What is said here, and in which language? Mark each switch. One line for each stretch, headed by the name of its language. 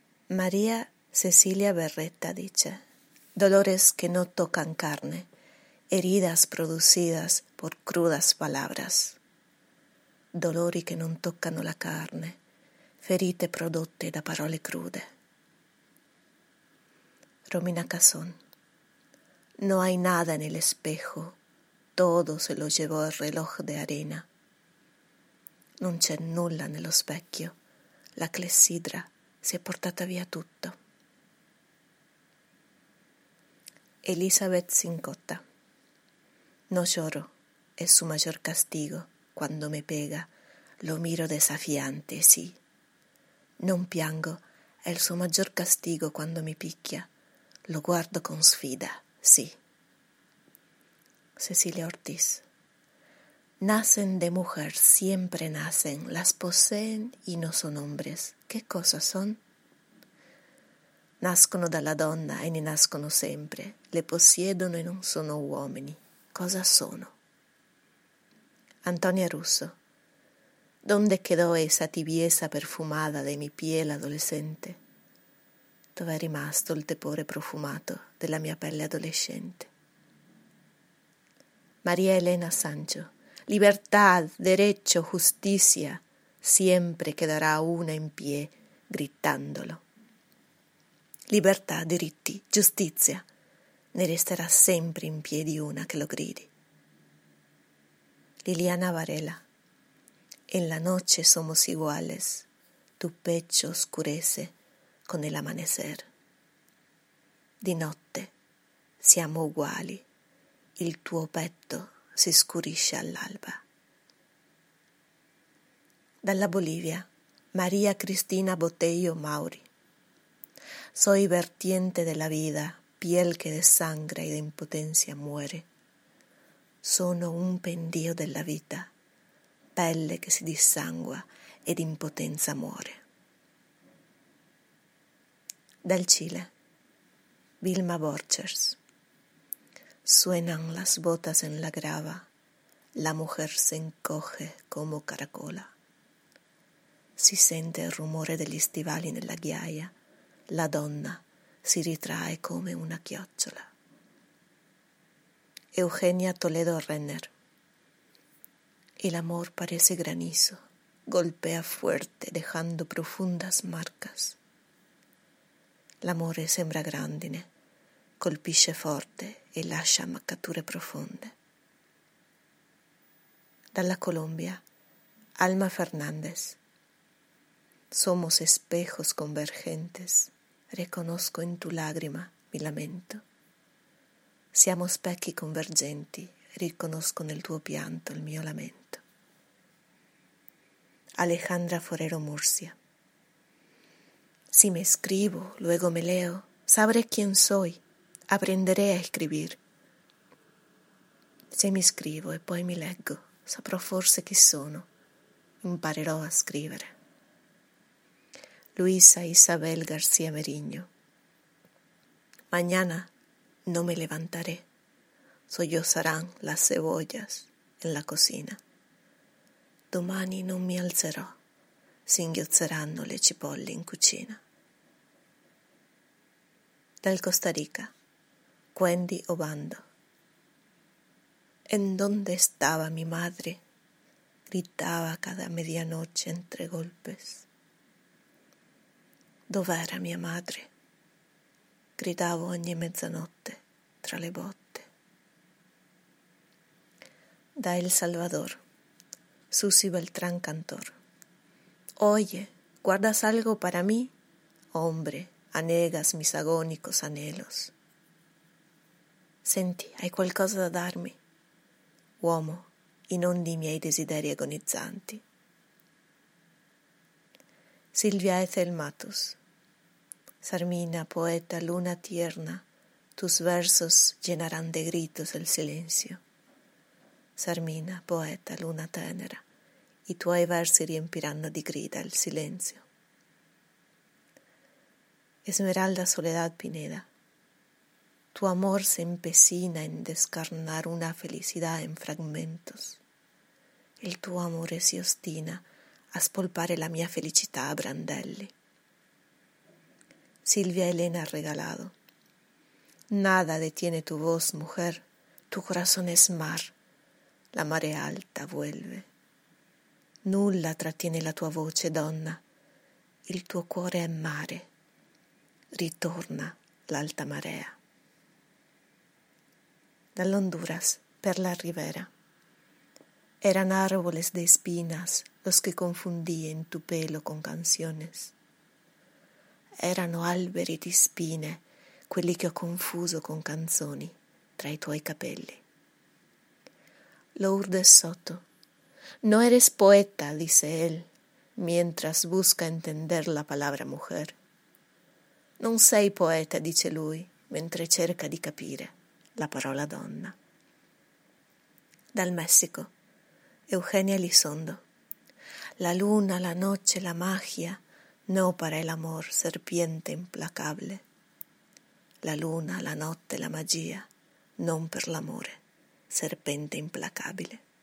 Spanish: María Cecilia Berreta dice: dolores que no tocan carne, heridas producidas por crudas palabras.
Italian: Dolori che non toccano la carne, ferite prodotte da parole crude.
Spanish: Romina Cassón: no hay nada en el espejo, todo se lo llevó el reloj de arena.
Italian: Non c'è nulla nello specchio, la clessidra si è portata via tutto.
Spanish: Elizabeth Sincotta: no lloro, es su mayor castigo, cuando me pega, lo miro desafiante, sí.
Italian: Non piango, è il suo maggior castigo quando mi picchia, lo guardo con sfida, sí.
Spanish: Cecilia Ortiz: nacen de mujer, siempre nacen, las poseen y no son hombres. ¿Qué cosas son?
Italian: Nascono dalla donna e ne nascono sempre, le possiedono e non sono uomini. Cosa sono?
Spanish: Antonia Russo: ¿dónde quedó esa tibieza perfumada de mi piel adolescente?
Italian: Dov'è rimasto il tepore profumato della mia pelle adolescente?
Spanish: María Elena Sancho: libertad, derecho, justicia, siempre quedará una en pie gritándolo.
Italian: Libertad, diritti, giustizia, ne resterà sempre in piedi una che lo gridi.
Spanish: Liliana Varela: en la noche somos iguales, tu pecho oscurece con el amanecer.
Italian: Di notte siamo uguali, il tuo petto si scurisce all'alba. Dalla Bolivia, María Cristina Botello Mauri.
Spanish: Soy vertiente de la vida, piel que de sangre y de impotencia muere.
Italian: Sono un pendio della vita, pelle che si dissangua ed impotenza muore. Dal Cile, Vilma Borchers.
Spanish: Suenan las botas en la grava, la mujer se encoge como caracola.
Italian: Si sente il rumore degli stivali nella ghiaia, la donna si ritrae come una chiocciola. Eugenia Toledo Renner.
Spanish: El amor parece granizo, golpea fuerte dejando profundas marcas.
Italian: L'amore sembra grandine, colpisce forte e lascia marcature profonde. Dalla Colombia,
Spanish: Alma Fernández. Somos espejos convergentes, reconozco en tu lágrima mi lamento.
Italian: Siamo specchi convergenti, riconosco nel tuo pianto il mio lamento. Alejandra Forero Murcia.
Spanish: Si me escribo, luego me leo, sabré quién soy, aprenderé a escribir.
Italian: Se mi scrivo e poi mi leggo, saprò forse chi sono, imparerò a scrivere. Luisa Isabel García Meriño.
Spanish: Mañana no me levantaré, sollozarán las cebollas en la cocina.
Italian: Domani non mi alzerò, singhiozzeranno le cipolle in cucina. Dal Costa Rica, Wendy Obando.
Spanish: ¿En dónde estaba mi madre? Gritaba cada medianoche entre golpes.
Italian: Dov'era mia madre? Gridavo ogni mezzanotte tra le botte. Da El Salvador, Susi Beltrán Cantor.
Spanish: Oye, ¿guardas algo para mí? Hombre, anegas mis agónicos anhelos.
Italian: Senti, hai qualcosa da darmi? Uomo, inondi i miei desideri agonizzanti. Silvia Ethel Matus.
Spanish: Sarmina, poeta, luna tierna, tus versos llenarán de gritos el silencio.
Italian: Sarmina, poeta, luna tenera, i tuoi versi riempiranno di grida il silenzio. Esmeralda Soledad Pineda.
Spanish: Tu amor se empecina en descarnar una felicidad en fragmentos.
Italian: El tuo amore si ostina a spolpare la mia felicità a brandelli.
Spanish: Silvia Elena Regalado. Nada detiene tu voz, mujer. Tu corazón es mar. La marea alta vuelve.
Italian: Nulla trattiene la tua voce, donna. Il tuo cuore è mare. Ritorna l'alta marea. Dall'Honduras, Perla Rivera.
Spanish: Eran árboles de espinas los que confundí en tu pelo con canciones.
Italian: Erano alberi di spine quelli che ho confuso con canzoni tra i tuoi capelli. Lourdes Soto.
Spanish: No eres poeta, dice él, mientras busca entender la palabra mujer.
Italian: Non sei poeta, dice lui, mentre cerca di capire la parola donna. Dal Messico,
Spanish: Eugenia Elizondo. La luna, la noche, la magia. No para el amor, serpiente implacable.
Italian: La luna, la notte, la magia, non per l'amore, serpente implacabile.